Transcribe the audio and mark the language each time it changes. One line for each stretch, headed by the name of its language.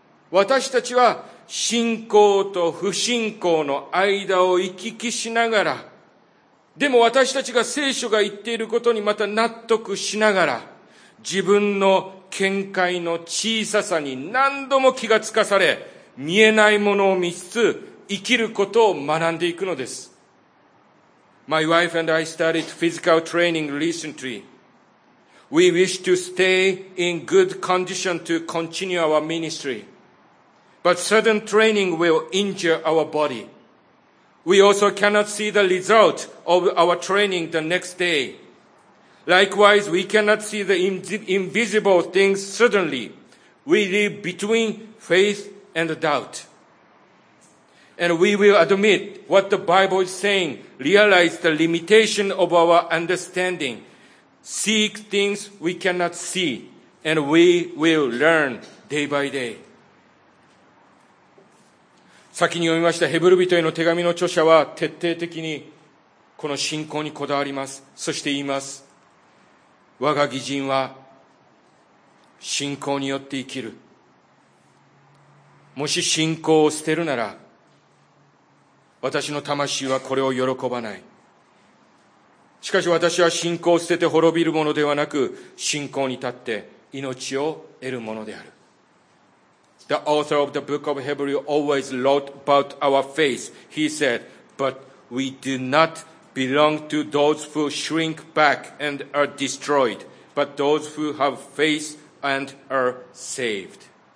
Japanese: 私たちは信仰と不信仰の間を行き来しながら、でも私たちが聖書が言っていることにまた納得しながら自分の見解の小ささに何度も気がつかされ見えないものを見つつ生きることを学んでいくのです。
English: My wife and I started physical training recently. We wish to stay in good condition to continue our ministry. But sudden training will injure our body. We also cannot see the result of our training the next day. Likewise, we cannot see the invisible things suddenly. We live between faith and doubt. And we will admit what the Bible is saying, realize the limitation of our understanding, seek things we cannot see, and we will learn day by day.
Japanese: 先に読みましたヘブル人への手紙の著者は徹底的にこの信仰にこだわります。そして言います。我が義人は信仰によって生きる。もし信仰を捨てるなら私の魂はこれを喜ばない。しかし私は信仰を捨てて滅びるものではなく信仰に立って命を得るものである。
English: The author of the book of Hebrews always wrote about our faith. He said, But we do not belong to those who shrink back and are destroyed, but those who have faith and are saved.